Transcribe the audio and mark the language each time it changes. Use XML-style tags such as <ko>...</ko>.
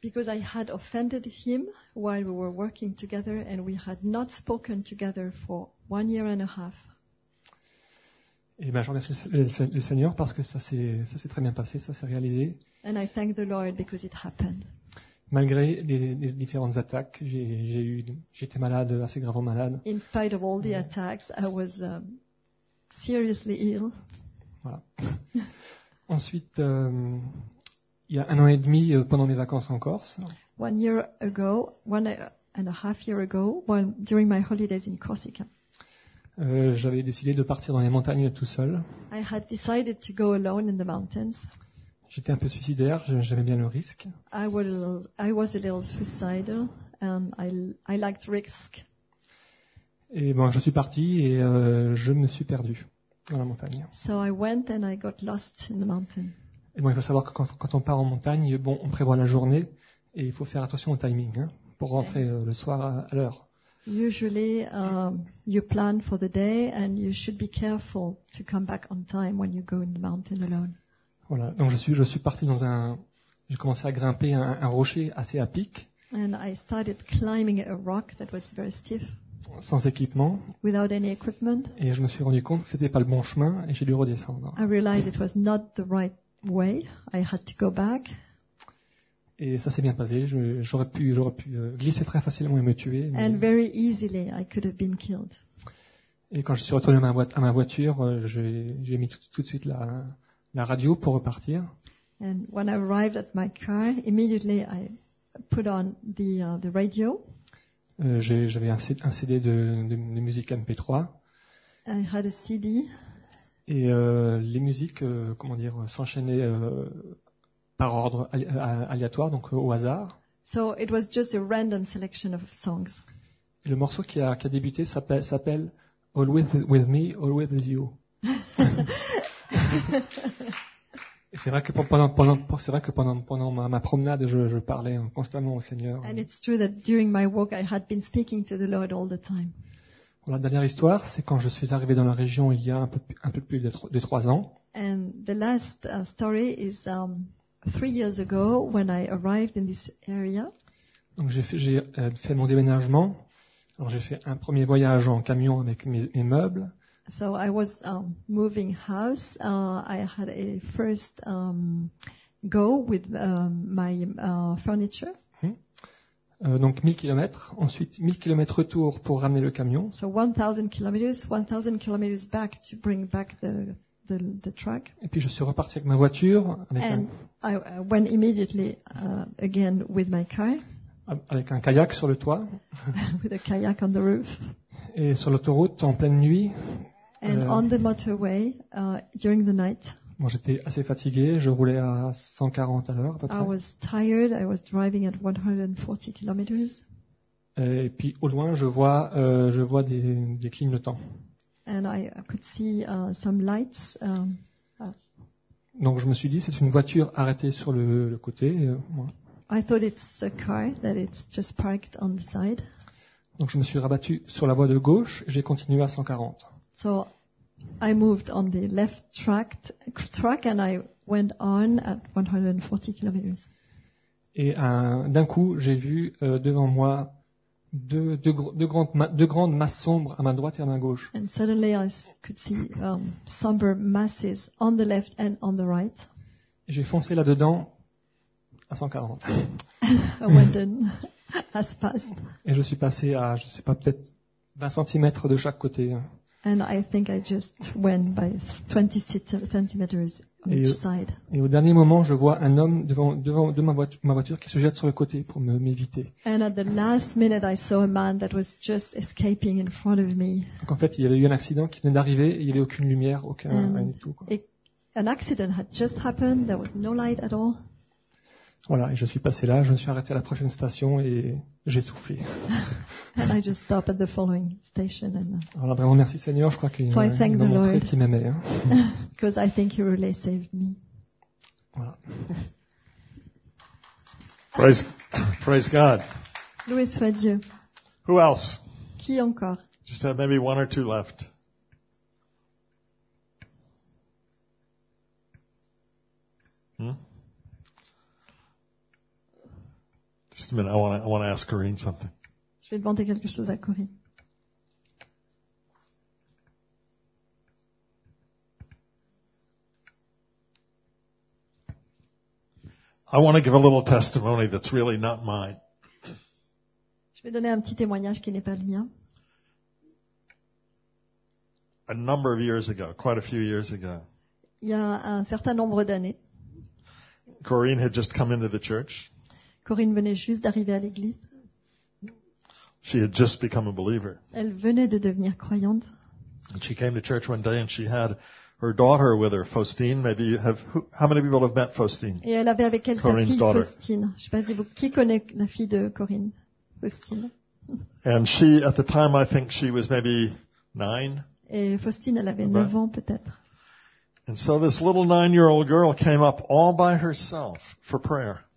<en>Because I had offended him while we were working together and we had not spoken together for 1.5 years.</en> <fr>Et ben, je remercie le Seigneur parce que ça s'est très bien passé, ça s'est réalisé.</fr> <en>And I thank the Lord because it happened.</en> <fr>Malgré les différentes attaques, j'étais malade, assez gravement malade.</fr> <en>In spite of all the attacks, I was seriously ill.</en> <fr>Voilà. Ensuite, il y a un an et demi, pendant mes vacances en Corse.</fr> <en>One and a half year ago, while during my holidays in Corsica.</en> <fr>J'avais décidé de partir dans les montagnes tout seul.</fr> <en>I had decided to go alone in the mountains.</en> <fr>J'étais un peu suicidaire, j'aimais bien le risque.</fr> <en>I was a little suicidal and I liked risk.</en> <fr>Et bon, je suis parti et je me suis perdu dans la montagne.</fr> <en>So I went and I got lost in the mountain.</en> <fr>Et bon, il faut savoir que quand on part en montagne, bon, on prévoit la journée et il faut faire attention au timing, hein, pour rentrer le soir à l'heure.</fr> <en>Usually you plan for the day and you should be careful to come back on time when you go in the mountain alone.</en> <fr>Voilà, donc je suis parti dans un, j'ai commencé à grimper un rocher assez à pic.</fr> <en>And I started climbing a rock that was very stiff.</en> <fr>Sans équipement.</fr> <en>Without any equipment.</en> <fr>Et je me suis rendu compte que c'était pas le bon chemin et j'ai dû redescendre.</fr> <en>I realized it was not the right way. I had to go back.</en> <fr>Et ça s'est bien passé. J'aurais pu glisser très facilement et me tuer. Mais...</fr> <en>And very easily I could have been killed.</en> <fr>Et quand je suis retourné à ma voiture, j'ai mis tout de suite la radio pour repartir.</fr> <en>And when I arrived at my car, immediately I put on the radio.</en> <fr>J'avais un CD de musique MP3.</fr> <en>I had a CD.</en> <fr>Et les musiques, comment dire, s'enchaînaient par ordre aléatoire, donc au hasard.</fr> <en>So it was just a random selection of songs.</en> <fr>Et le morceau qui a débuté s'appelle Always With Me, Always With You. c'est vrai que pendant ma promenade, je parlais constamment au Seigneur.</fr> <en>And it's true that during my walk, I had been speaking to the Lord all the time.</en> <fr>Bon, la dernière histoire, c'est quand je suis arrivé dans la région il y a un peu plus de 3 ans.</fr> <en>And the last story is 3 years ago when I arrived in this area.</en> <fr>Donc j'ai fait mon déménagement. Alors j'ai fait un premier voyage en camion avec mes meubles.</fr> <en>So I was moving house. I had a first go with my furniture.</en> <fr>Donc 1000 km, ensuite 1000 km retour pour ramener le camion.</fr> <en>So 1000 km back to bring back the truck.</en> <fr>Et puis je suis reparti avec ma voiture</fr> <en>I went immediately again with my car.</en> <fr>Avec un kayak sur le toit.</fr> <en>With a kayak on the roof.</en> <fr>Et sur l'autoroute en pleine nuit.</fr> <en>And on the motorway during the night.</en> <fr>Bon, j'étais assez fatigué, je roulais à 140 à l'heure à peu près.</fr> <en>I was tired, I was driving at 140 km.</en> <fr>Et puis au loin, je vois des clignotants.</fr> <en>And I could see some lights.</en> <fr>Donc je me suis dit, c'est une voiture arrêtée sur le côté.</fr> <en>I thought it's a car that it's just parked on the side.</en> <fr>Donc je me suis rabattu sur la voie de gauche, j'ai continué à 140.</fr> <en>So I moved on the left track and I went on at 140 kilometers.</en> <fr>Et d'un coup, j'ai vu devant moi deux grandes masses sombres à ma droite et à ma gauche.</fr> <en>And suddenly I could see somber masses on the left and on the right.</en> <fr>Et j'ai foncé là-dedans à 140.</fr> <en>I went in as fast.</en> <fr>Et je suis passé à, je sais pas, peut-être 20 cm de chaque côté.</fr> <en>And I think I just went by 20 centimeters on each side.</en> <fr>Et au dernier moment, je vois un homme devant ma voiture qui se jette sur le côté pour m'éviter.</fr> <en>And at the last minute, I saw a man that was just escaping in front of me.</en> <fr>Donc en fait, il y avait eu un accident qui venait d'arriver. Et il n'y avait aucune lumière, aucun rien du tout.</fr> <en>An accident had just happened. There was no light at all.</en> <fr>Voilà, et je suis passé là. Je me suis arrêté à la prochaine station et j'ai soufflé.</fr> <en>And I just stopped at the following station. And,</en> <fr>alors vraiment, merci Seigneur, je crois qu'il m'a montré qu'il m'aimait.</fr> <en>Because I think he really saved me.</en> <fr>Voilà.</fr> <en>Praise God.</en> <fr>Loué soit Dieu.</fr> <en>Who else?</en> <fr>Qui encore?</fr> <en>Just have maybe one or two left. Just a minute, I want to ask Corinne something.</en> <fr>Je vais demander quelque chose à Corinne.</fr> <en>I want to give a little testimony that's really not mine.</en> <fr>Je vais donner un petit témoignage qui n'est pas le mien.</fr> <en>A number of years ago, quite a few years ago.</en> <fr>Il y a un certain nombre d'années.</fr> <en>Corinne had just come into the church.</en> <fr>Corinne venait juste d'arriver à l'église.</fr> <en>She had just become a believer.</en> <fr>Elle venait de devenir croyante.</fr> <en>And she came to church one day and she had her daughter with her, Faustine. Maybe you have, how many people have met Faustine?</en> <fr>Et elle avait avec elle</fr> <en>Corinne's</en> <fr>sa fille, Faustine.</fr> <en>Daughter.</en> <fr>Je ne sais pas si vous, qui connaît la fille de Corinne, Faustine.</fr> <en>And she, at the time, I think she was maybe 9.</en> <fr>Et Faustine, elle avait 9 ans peut-être.</fr> <en>And so this little 9-year-old girl came up all by herself for prayer.</en>